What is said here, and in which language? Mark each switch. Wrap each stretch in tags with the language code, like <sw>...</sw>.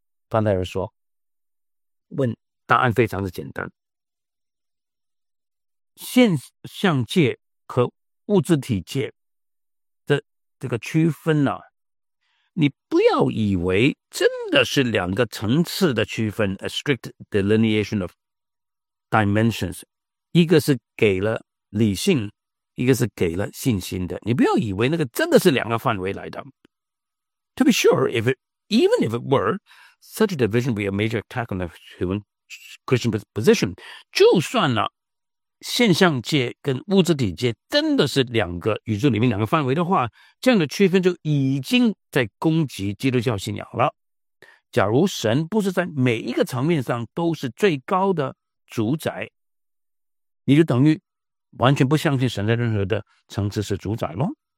<zh>范戴尔说，问答案非常的简单，现象界和物质体界的这个区分啊，你不要以为真的是两个层次的区分 ，</zh> <en>a strict delineation of dimensions，</en> <zh>一个是给了理性，一个是给了信心的。你不要以为那个真的是两个范围来的。</zh> <en>To be sure, even if it were, such a division would be a major attack on the human Christian position。</en> <zh>就算了，现象界跟物质体界真的是两个宇宙里面两个范围的话，这样的区分就已经在攻击基督教信仰了。假如神不是在每一个层面上都是最高的主宰，你就等于完全不相信神在任何的层次是主宰咯。</zh>